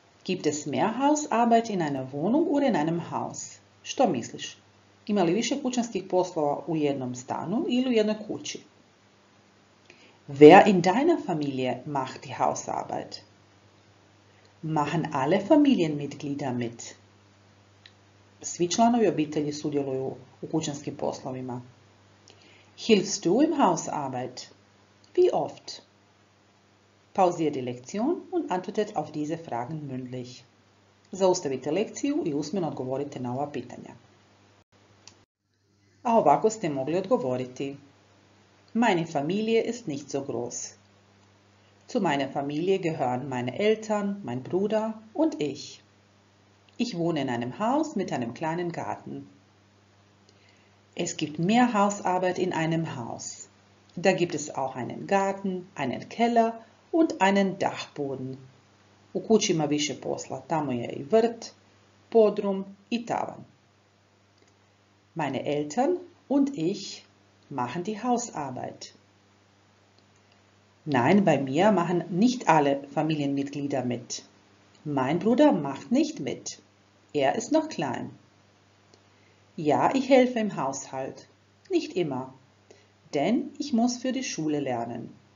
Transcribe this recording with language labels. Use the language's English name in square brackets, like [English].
[German] Gibt es mehr Hausarbeit in einer Wohnung oder in einem Haus? [Croatian] Što misliš? Ima li više kućanskih poslova u jednom stanu ili u jednoj kući? [German] Wer in deiner Familie macht die Hausarbeit? Machen alle Familienmitglieder mit? [Croatian] Svi članovi obitelji sudjeluju u kućanskim poslovima. [German] Hilfst du im Hausarbeit? Wie oft? Pausiert die Lektion und antwortet auf diese Fragen mündlich. [Croatian] Zaustavite lekciju i usmeno odgovorite na ova pitanja. A ovako ste mogli odgovoriti. [German] Meine Familie ist nicht so groß. Zu meiner Familie gehören meine Eltern, mein Bruder und ich. Ich wohne in einem Haus mit einem kleinen Garten. Es gibt mehr Hausarbeit in einem Haus. Da gibt es auch einen Garten, einen Keller und einen Dachboden. [Croatian] U kući ima više posla, tamo je i vrt, podrum i tavan. [German] Meine Eltern und ich machen die Hausarbeit. Nein, bei mir machen nicht alle Familienmitglieder mit. Mein Bruder macht nicht mit. Er ist noch klein. Ja, ich helfe im Haushalt. Nicht immer. Denn ich muss für die Schule lernen.